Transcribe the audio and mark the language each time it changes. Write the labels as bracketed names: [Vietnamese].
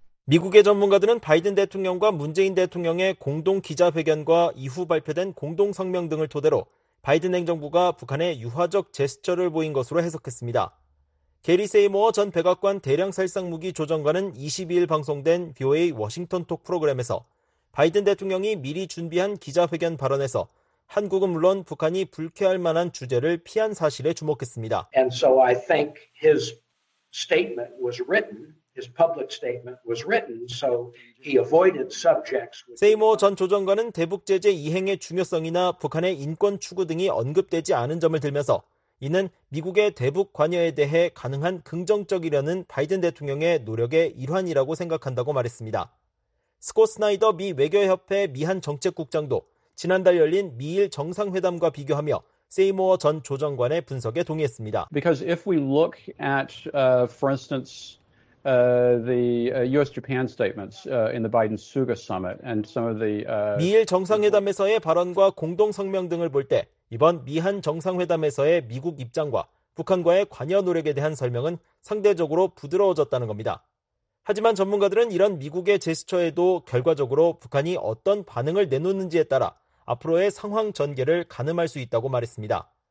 [Korean] 미국의 전문가들은 바이든 대통령과 문재인 대통령의 공동 기자회견과 이후 발표된 공동성명 등을 토대로 바이든 행정부가 북한의 유화적 제스처를 보인 것으로 해석했습니다. 게리 세이모어 전 백악관 대량살상무기 조정관은 22일 방송된 BOA 워싱턴톡 프로그램에서 바이든 대통령이 미리 준비한 기자회견 발언에서 한국은 물론 북한이 불쾌할 만한 주제를 피한 사실에 주목했습니다. [English] And so I think his statement was written, his public statement was written, so he avoided subjects. [Korean] 세이모어 전 조정관은 대북제재 이행의 중요성이나 북한의 인권 추구 등이 언급되지 않은 점을 들면서 이는 미국의 대북 관여에 대해 가능한 긍정적이려는 바이든 대통령의 노력의 일환이라고 생각한다고 말했습니다. 스콧 스나이더 미 외교협회 미한정책국장도 지난달 열린 미일 정상회담과 비교하며 세이모어 전 조정관의 분석에 동의했습니다. [English] Because if we look at, for instance, the U.S.-Japan statements in the Biden-Suga summit and some of the [Korean] 미일 정상회담에서의 발언과 공동성명 등을 볼 때 이번 미한 정상회담에서의 미국 입장과 북한과의 관여 노력에 대한 설명은 상대적으로 부드러워졌다는 겁니다. 하지만 전문가들은 이런 미국의 제스처에도 결과적으로 북한이 어떤 반응을 내놓는지에 따라 앞으로의 상황 전개를 가늠할 수 있다고 말했습니다.